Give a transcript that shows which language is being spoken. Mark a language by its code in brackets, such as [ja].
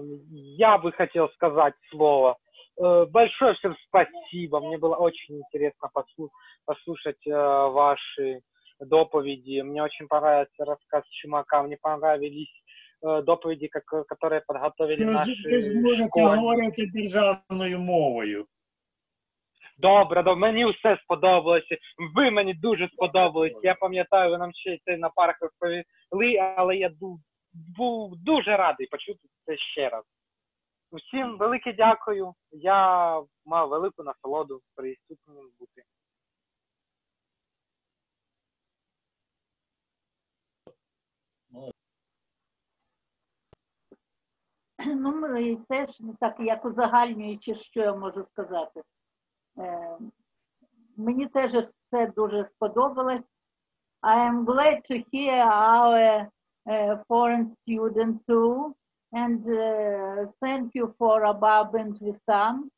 [ru] Я бы хотел сказать слово. Большое всем спасибо. Мне было очень интересно послушать ваши доповеди. Мне очень понравился рассказ Чумака. Мне понравились доповеди, которые подготовили наши школьники. [uk] Вы сможете говорить державною мовою. Добре, мені все сподобалося. Ви мені дуже сподобались. Я пам'ятаю, ви нам ще це на парах розповіли, але я був дуже радий почути це ще раз. Усім велике дякую. Я мав велику насолоду присутнім бути. Ну, ми теж так, як узагальнюючи, що я можу сказати. Мені теж все дуже сподобалось. [en] I am glad to hear our foreign student too, and thank you for Abab and Vistan.